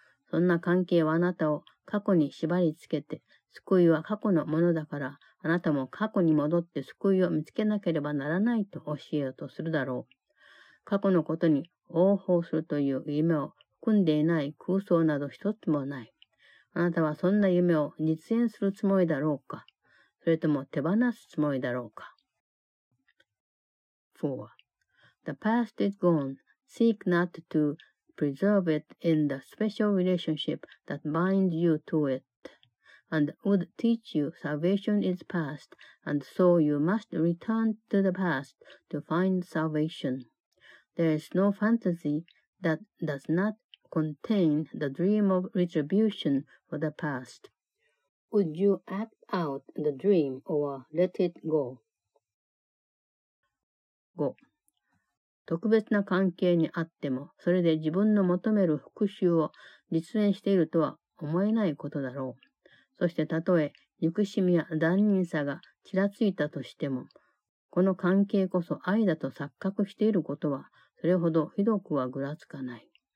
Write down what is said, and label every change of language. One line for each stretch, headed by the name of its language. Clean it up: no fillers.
Japanese: そんな関係はあなたを過去に縛りつけて、救いは過去のものだから、あなたも過去に戻って救いを見つけなければならないと教えようとするだろう。過去のことに応報するという夢を含んでいない空想など一つもない。あなたはそんな夢を実現するつもりだろうか、それとも手放すつもりだろうか。
English: 4. The past is gone. Seek not to preserve it in the special relationship that binds you to it, and would teach you salvation is past, and so you must return to the past to find salvation. There is no fantasy that does not contain the dream of retribution for the past. Would you act out the dream or let it go? 5.
Japanese: 特別な関係にあっても、それで自分の求める復讐を実現しているとは思えないことだろう。そしてたとえ憎しみや残忍さがちらついたとしても、この関係こそ愛だと錯覚していることは、それほどひどくはぐらつかない。